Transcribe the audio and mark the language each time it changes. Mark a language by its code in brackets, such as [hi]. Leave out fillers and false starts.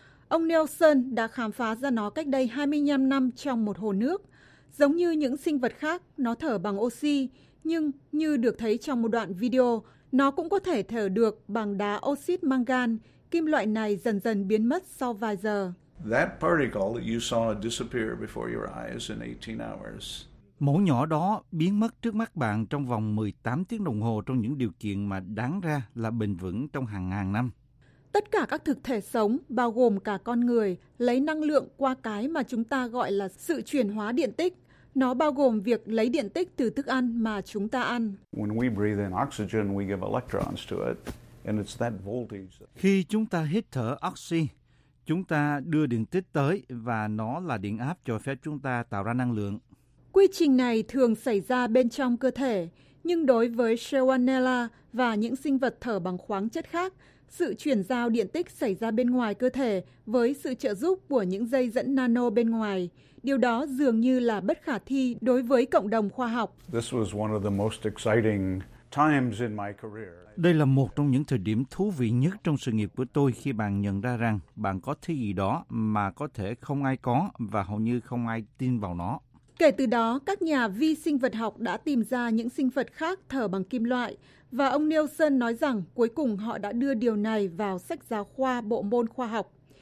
[vi] Ông Nielsen đã khám phá ra nó cách đây 25 năm trong một hồ nước. Giống như những sinh vật khác, nó thở bằng oxy, nhưng như được thấy trong một đoạn video, nó cũng có thể thở được bằng đá oxit mangan. Kim loại này dần dần biến mất sau vài giờ. [en] That particle that you saw disappear before your eyes in 18 hours. [vi] Mẫu nhỏ đó biến mất trước mắt bạn trong vòng 18 tiếng đồng hồ trong những điều kiện mà đáng ra là bền vững trong hàng ngàn năm. Tất cả các thực thể sống, bao gồm cả con người, lấy năng lượng qua cái mà chúng ta gọi là sự chuyển hóa điện tích. Nó bao gồm việc lấy điện tích từ thức ăn mà chúng ta ăn. [en] When we breathe in oxygen, we give electrons to it. And it's that voltage. [vi] Khi chúng ta hít thở oxy, chúng ta đưa điện tích tới và nó là điện áp cho phép chúng ta tạo ra năng lượng. Quy trình này thường xảy ra bên trong cơ thể, nhưng đối với Shewanella và những sinh vật thở bằng khoáng chất khác, sự chuyển giao điện tích xảy ra bên ngoài cơ thể với sự trợ giúp của những dây dẫn nano bên ngoài. Điều đó dường như là bất khả thi đối với cộng đồng khoa học. [en] This was one of the most exciting times in my career. [vi] Đây là một trong những thời điểm thú vị nhất trong sự nghiệp của tôi khi bạn nhận ra rằng bạn có thứ gì đó mà có thể không ai có và hầu như không ai tin vào nó. Kể từ đó, các nhà vi sinh vật học đã tìm ra những sinh vật khác thở bằng kim loại, và ông Nielsen nói rằng cuối cùng họ đã đưa điều này vào sách giáo khoa bộ môn khoa học.